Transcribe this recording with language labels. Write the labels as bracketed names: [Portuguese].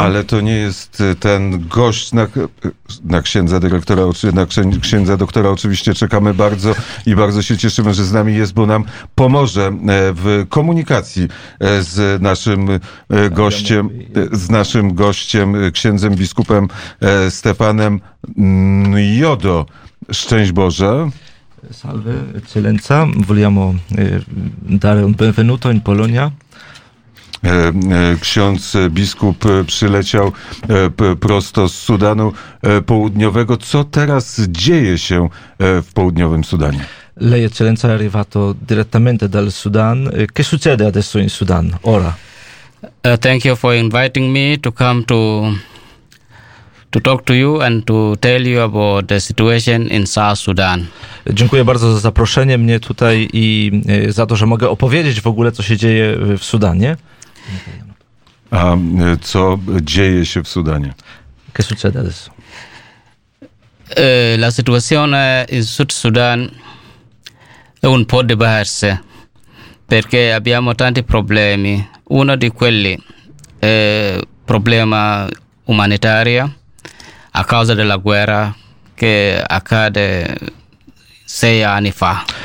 [Polish] Ale to nie jest ten gość na księdza dyrektora, na księdza doktora oczywiście czekamy bardzo i bardzo się cieszymy, że z nami jest, bo nam pomoże w komunikacji z naszym gościem, księdzem biskupem Stefanem Jodo. Szczęść Boże. [Italian] Salve, eccellenza, vogliamo dare un benvenuto in Polonia. [Polish] Ksiądz biskup przyleciał prosto z Sudanu Południowego. Co teraz dzieje się w południowym Sudanie? [Italian] Lei, eccellenza, è arrivato direttamente dal Sudan. Che succede adesso in Sudan? Ora. [English] Thank you for inviting me to come to talk to you and to tell you about the situation in South Sudan. [Polish] Dziękuję bardzo za zaproszenie mnie tutaj i za to, że mogę opowiedzieć w ogóle, co się dzieje w Sudanie. A co dzieje się w Sudanie? [Italian] Que sucede adesso? La situazione in South Sudan è un po' diversa perché abbiamo tanti problemi. Uno di quelli è problema umanitario a causa della guerra che accade 6 anni fa.